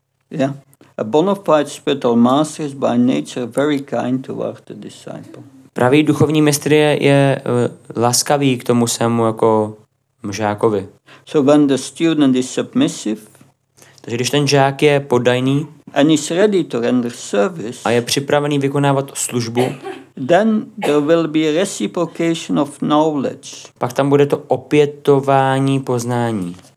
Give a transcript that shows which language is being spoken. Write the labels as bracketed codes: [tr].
[en] Yeah. A bona fide spiritual master is by nature very kind toward the disciple. [cs] Pravý duchovní mistr je laskavý k tomu svému jako žákovi. [en] So when the student is submissive, [cs] takže když ten žák je poddajný [en] and is ready to render service, [cs] a je připravený vykonávat službu, [en] then there will be a reciprocation of knowledge. [cs] Pak tam bude to opětování poznání.